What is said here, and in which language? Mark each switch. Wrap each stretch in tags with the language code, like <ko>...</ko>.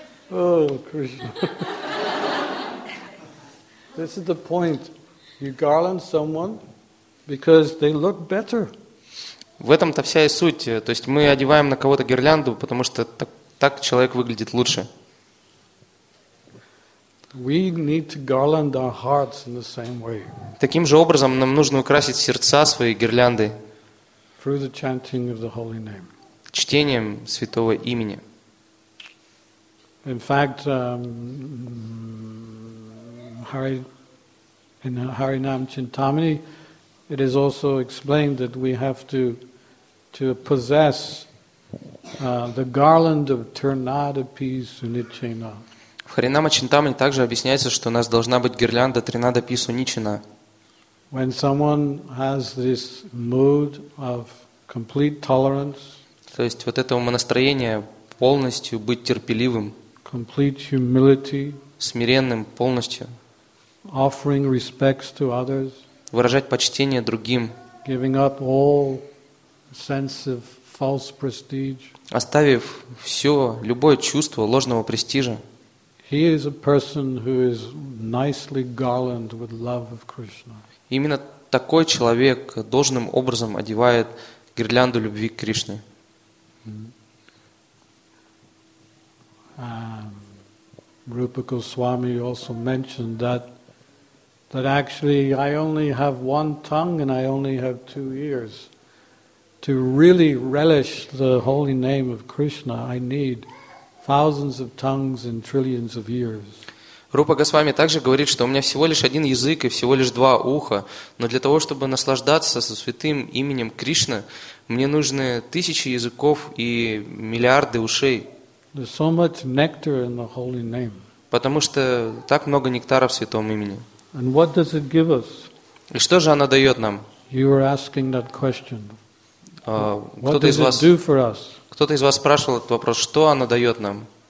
<ru>О, Кришна.</ru> <en>This is the point. You garland someone because they look better.</en> <ru>В этом-то вся и суть. То есть мы одеваем на кого-то гирлянду, потому что так человек выглядит лучше.</ru> <en>We need to garland our hearts in the same way.</en> <ru>Таким же образом нам нужно украсить сердца свои гирляндой.</ru> <en>Through the chanting of the holy name.</en> <ru>Чтением святого имени.</ru> <en>In fact, in Harinam Chintamani, it is also explained that we have to possess the garland of Trinadapi Sunichena.</en> <ru>В Харинама Чинтамани также объясняется, что у нас должна быть гирлянда Тринадапи Суничена.</ru> <en>When someone has this mood of complete tolerance,</en> <ru>то есть вот это умонастроение полностью быть терпеливым,</ru> <en>complete humility,</en> <ru>смиренным полностью,</ru> <en>offering respects to others,</en> <ru>выражать почтение другим,</ru> <en>giving up all sense of false prestige,</en> <ru>оставив все, любое чувство ложного престижа.</ru> <en>He is a person who is nicely garlanded with love of Krishna.</en> <ru>Именно такой человек должным образом одевает гирлянду любви к Кришне.</ru> <en>Rupa Goswami also mentioned that actually I only have one tongue and I only have two ears. To really relish the holy name of Krishna, I need thousands of tongues and trillions of ears.</en> <ru>Рупа Госвами также говорит, что у меня всего лишь один язык и всего лишь два уха, но для того, чтобы наслаждаться со святым именем Кришна, мне нужны тысячи языков и миллиарды ушей.</ru> <en>There's so much nectar in the holy name.</en> <ru>Потому что так много нектара в святом имени.</ru> <en>And what does it give us?</en> <ru>И что же оно дает нам?</ru> <en>You were asking that question.</en> <ru>Кто-то из вас,</ru> <en>what does it do for us?</en> <ru>Кто-то из вас спрашивал этот вопрос, что оно дает нам?</ru>